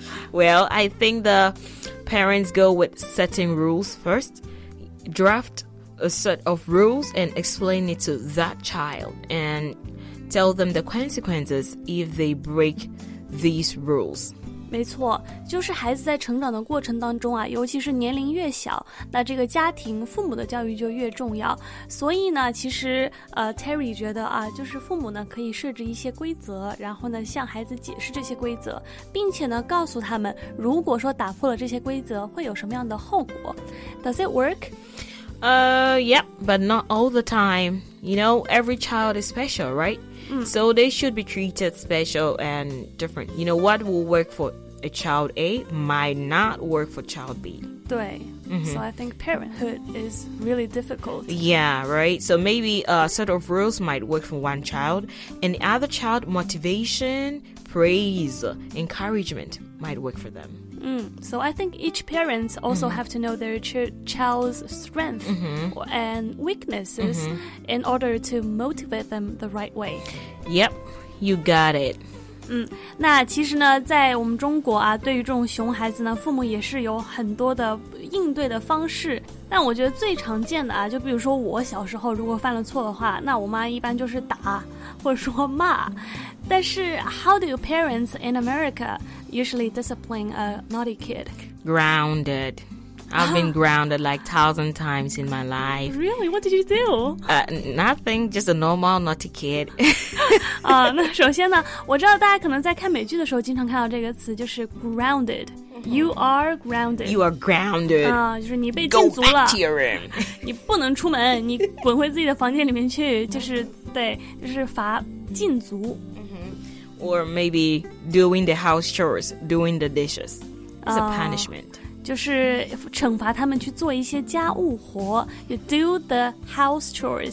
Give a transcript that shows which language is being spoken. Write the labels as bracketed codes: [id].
[en] Well, I think the parents go with setting rules first, draft a set of rules and explain it to that child and tell them the consequences if they break these rules. [zh] 没错，就是孩子在成长的过程当中啊，尤其是年龄越小，那这个家庭父母的教育就越重要。所以呢，其实Terry 觉得啊，就是父母呢可以设置一些规则，然后呢向孩子解释这些规则，并且呢告诉他们，如果说打破了这些规则，会有什么样的后果。 [en] Does it work? Yep, but not all the time. You know, every child is special, right? So they should be treated special and different. You know, what will work for a child A might not work for child B. [zh] 对， [en] So I think parenthood is really difficult. Yeah, right. So maybe a set of rules might work for one child, and the other child, motivation, praise, encouragement might work for them. So I think each parent also have to know their child's strength and weaknesses in order to motivate them the right way. Yep, you got it. [zh] 那其实呢在我们中国啊对于这种熊孩子呢父母也是有很多的应对的方式但我觉得最常见的啊就比如说我小时候如果犯了错的话那我妈一般就是打或者说骂但是 [en] How do your parents in America usually discipline a naughty kid? Grounded. I've been grounded like 1,000 times in my life. Really? What did you do? Nothing, just a normal naughty kid. [zh] 那首先呢我知道大家可能在看美剧的时候经常看到这个词就是 grounded [en] You are grounded You are grounded [zh] 就是你被禁足了 [en] Go back to your room [zh] 你不能出门你滚回自己的房间里面去就是对就是罚禁足、 [en] Or maybe doing the house chores Doing the dishes It's a punishment [zh] 就是惩罚他们去做一些家务活 [en] You do the house chores、